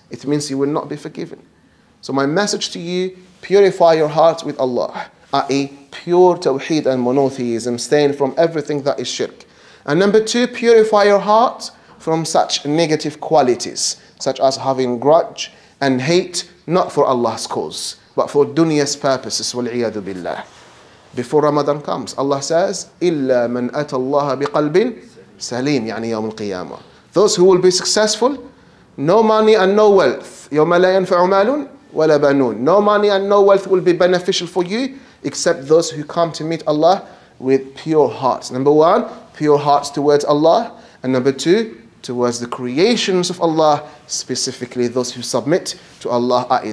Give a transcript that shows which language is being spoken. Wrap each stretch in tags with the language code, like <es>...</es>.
<en>It means you will not be forgiven. So my message to you, purify your heart with Allah, i.e. pure tawheed and monotheism, staying from everything that is shirk. And number two, purify your heart from such negative qualities, such as having grudge and hate, not for Allah's cause, but for dunya's purposes,</en> <ar>wal'iyadu billah.</ar> <en>Before Ramadan comes, Allah says,</en> <ar>إِلَّا مَنْ أَتَى اللَّهَ بِقَلْبٍ سَلِيمٍ يعني يَوْمُ الْقِيَامَةِ.</ar> <en>Those who will be successful, no money and no wealth.</en> <ar>يَوْمَ لَا يَنْفَعُ مَالٌ وَلَا بَنُونَ.</ar> <en>No money and no wealth will be beneficial for you, except those who come to meet Allah with pure hearts. Number one, pure hearts towards Allah. And number two, towards the creations of Allah, specifically those who submit to Allah, i.e.</en>